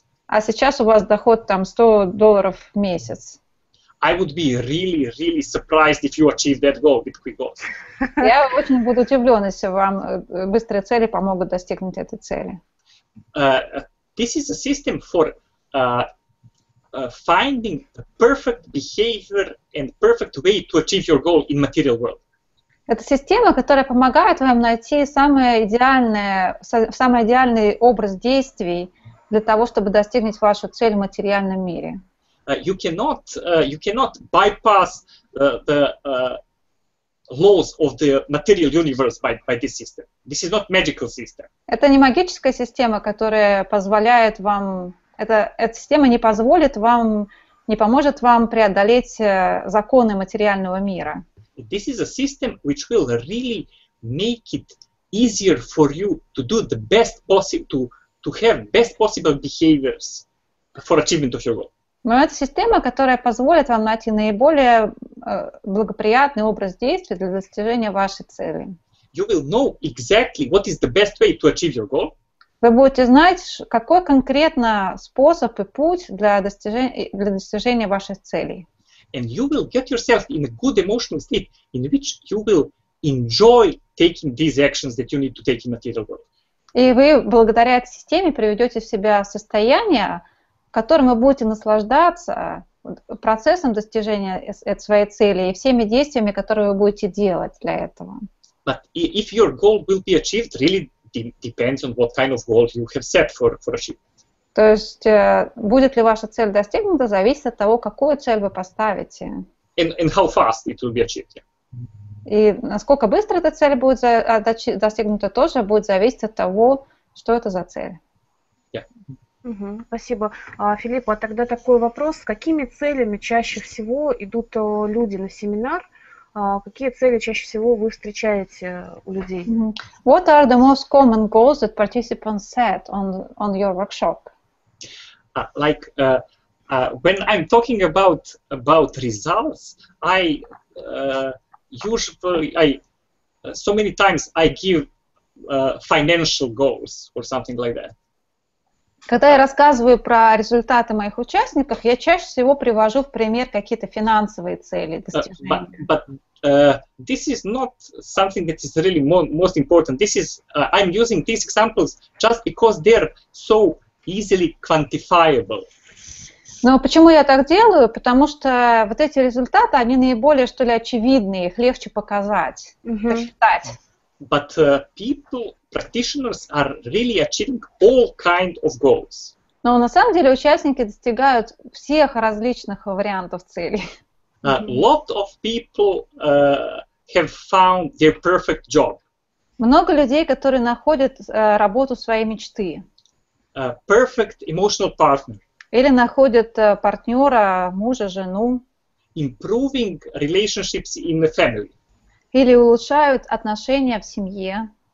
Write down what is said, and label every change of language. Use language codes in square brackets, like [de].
[ru] А сейчас у вас доход там $100 в месяц. [en] I would be really, really surprised if you achieve that goal with Quick Goals. [ru] Я очень буду удивлен, если вам быстрые цели помогут достигнуть этой цели. [en] This is a system for finding the perfect behavior and perfect way to achieve your goal in material world. [ru] Это система, которая помогает вам найти самый идеальный образ действий для того, чтобы достигнуть вашу цель в материальном мире. [en] You cannot bypass the laws of the material universe by this system. This is not magical system. [ru] Это не магическая система, которая позволяет вам. Эта система не позволит вам не поможет вам преодолеть законы материального мира. [en] This is a system which will really make it easier for you to do the best possible, to have best possible behaviors for achievement of your goal. [ru] Но это система, которая позволит вам найти наиболее благоприятный образ действий для достижения вашей цели. [en] You will know exactly what is the best way to achieve your goal. [ru] Вы будете знать, какой конкретно способ и путь для достижения ваших целей. [en] And you will get yourself in a good emotional state in which you will enjoy taking these actions that you need to take in material world. [ru] И вы благодаря этой системе приведете в себя состояние, в котором вы будете наслаждаться процессом достижения своей цели и всеми действиями, которые вы будете делать для этого. [en] But if your goal will be achieved, really depends on what kind of goal you have set for achievement. [ru] То есть будет ли ваша цель достигнута, зависит от того, какую цель вы поставите. [en] And how fast it will be achieved. Yeah. [ru] И насколько быстро эта цель будет достигнута, тоже будет зависеть от того, что это за цель. Yeah. Спасибо. Филипп, а тогда такой вопрос. С какими целями чаще всего идут люди на семинар? Какие цели чаще всего вы встречаете у людей? [en] What are the most common goals that participants set on your workshop? When I'm talking about results, so many times I give financial goals or something like that. [ru] Когда я рассказываю про результаты моих участников, я чаще всего привожу в пример какие-то финансовые цели достижения. [en] But this is not something that is really most important. This is I'm using these examples just because they're so easily quantifiable. [ru] Но почему я так делаю? Потому что вот эти результаты, они наиболее, что ли, очевидные, их легче показать, посчитать. [en] But people, practitioners are really achieving all kind of goals. [ru] Но на самом деле участники достигают всех различных вариантов целей. [en] A lot of people have found their perfect job. [ru] Много людей, которые находят работу своей мечты. [en] A perfect emotional partner. [ru] Или находят партнера, мужа, жену. [en] Improving relationships in the family. [ru] Или улучшают отношения в семье.